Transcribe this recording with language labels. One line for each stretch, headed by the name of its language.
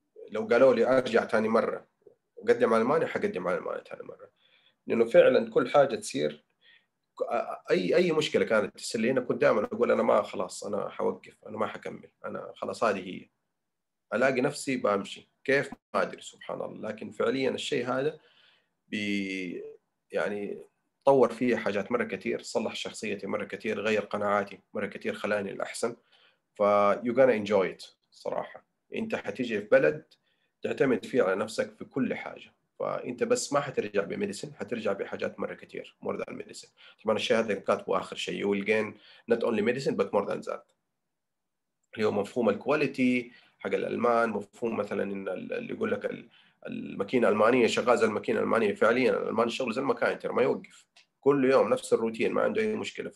Arabic: لو قالوا لي ارجع ثاني مره اقدم على المانيا حقدم على المانيا ثاني مره، لانه فعلا كل حاجه تصير اي مشكله كانت تصير لي هنا كنت دائما اقول انا ما خلاص انا حوقف انا ما حكمل انا خلاص هذه هي، الاقي نفسي بمشي كيف ما ادري سبحان الله. لكن فعليا الشيء هذا يعني طور فيه حاجات مرة كثير، صلح شخصيتي مرة كثير، غير قناعاتي مرة كثير، خلاني الأحسن.
English: ف you gonna enjoy it
Arabic: صراحة. أنت هتيجي في بلد تعتمد فيه على نفسك في كل حاجة، فأنت بس ما هترجع بميديسن، هترجع بحاجات مرة كثير
English: more than medicine.
Arabic: طبعا الشيء هذا كاتبه آخر شيء
English: you will gain not only medicine but more than that،
Arabic: اللي هو مفهوم الكواليتي حق الألمان، مفهوم مثلا إن اللي يقول لك الماكينة الألمانية شغالة زي الماكينة الألمانية، فعليا الألمان شغل زي المكاينتر ما يوقف كل يوم نفس الروتين ما عنده اي مشكلة.